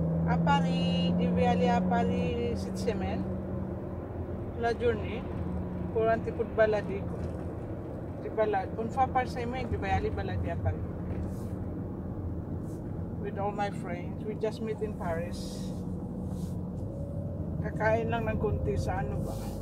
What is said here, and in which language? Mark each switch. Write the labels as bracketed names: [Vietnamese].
[French] À Paris, je vais aller à Paris cette semaine. La journée pour un petit peu de balade. De balade. Une fois par semaine, je vais aller balader à Paris. [English] With all my friends, we just meet in Paris. [Filipino] Kakain lang ng konti sa ano ba?